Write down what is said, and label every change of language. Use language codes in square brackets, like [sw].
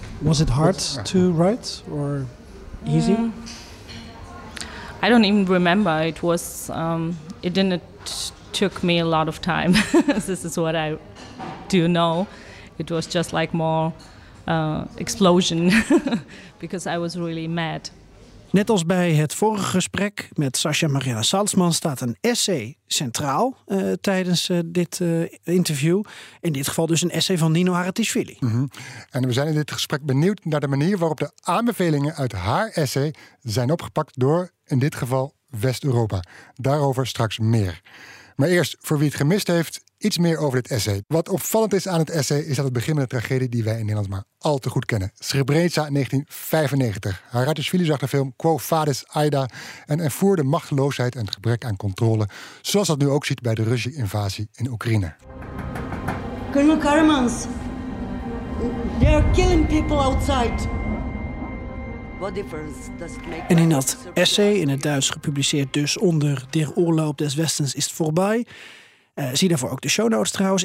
[en] Was it hard to write or easy? I don't even remember. It was it didn't took me a lot of time. This is what I do know. It was just like more explosion because I was really mad. [nl] Net als bij het vorige gesprek met Sascha Maria Salzman staat een essay centraal tijdens dit interview. In dit geval dus een essay van Nino Haratischvili. En we zijn in dit gesprek benieuwd naar de manier waarop de aanbevelingen uit haar essay zijn opgepakt door, in dit geval, West-Europa. Daarover straks meer. Maar eerst, voor wie het gemist heeft, iets meer over dit essay. Wat opvallend is aan het essay is dat het begint met een tragedie die wij in Nederland maar al te goed kennen. Srebrenica 1995. Haratischvili zag de film Quo Vadis Aida en ervoerde machteloosheid en gebrek aan controle, zoals dat nu ook ziet bij de Russische invasie in Oekraïne. [en] Colonel Karamans, they are killing people outside. [nl] En in dat essay, in het Duits gepubliceerd dus onder [de] Der Urlaub des Westens ist vorbei, [nl] zie daarvoor ook de show notes trouwens.